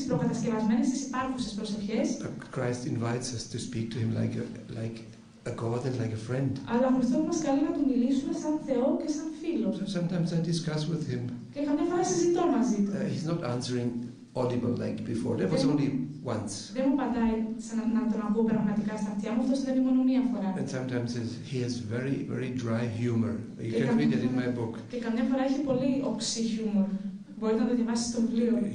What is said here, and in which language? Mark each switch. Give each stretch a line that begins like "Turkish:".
English: But Christ invites us to speak to him like a God and like a friend. Sometimes I discuss with him. He's not answering audible like before. That was only once.
Greek: Δεν μου πατάει να τον ακούω πραγματικά στα αυτιά μου. Αυτό συνέβη μόνο μία φορά.
English: And sometimes he has very, very dry humor. You can read it in my book.
Greek: Και καμιά φορά έχει πολύ οξύ χιούμορ. Μπορείτε να το διαβάσετε στο βιβλίο.